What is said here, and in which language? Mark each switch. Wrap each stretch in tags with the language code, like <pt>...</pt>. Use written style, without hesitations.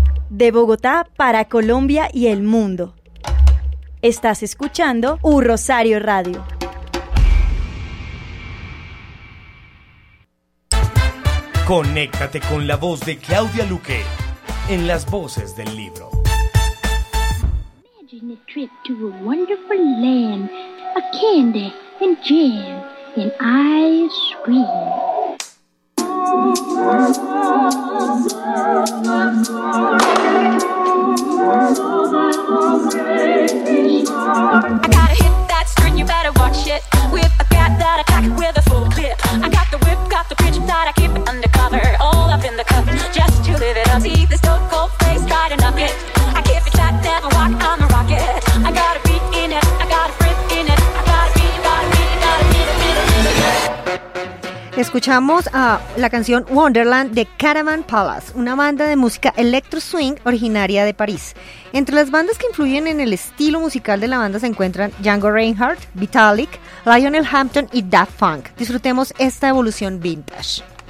<es>De Bogotá para Colombia y el mundo. Estás escuchando U Rosario Radio. Conéctate con la voz de Claudia Luque en Las Voces del Libro.</es> <en>Imagine a trip to a wonderful land, a candy and jam and ice cream. I gotta hit that string, you better watch it. Whip, I got that attack with a full clip. I got the whip, got the pitch, that I keep it undercover. All up in the cup, just to live it up. See this dope cold face, try to knock it. I keep it tight, never walk, I'm a rocket. I got a beat in it, I got a frip in it. I got a beat, got a beat, got a beat, beat, beat, beat.</en> <es>Escuchamos la canción Wonderland de Caravan Palace, una banda de música electro swing originaria de París. Entre las bandas que influyen en el estilo musical de la banda se encuentran Django Reinhardt, Vitalik, Lionel Hampton y Daft Punk. Disfrutemos esta evolución vintage.</es>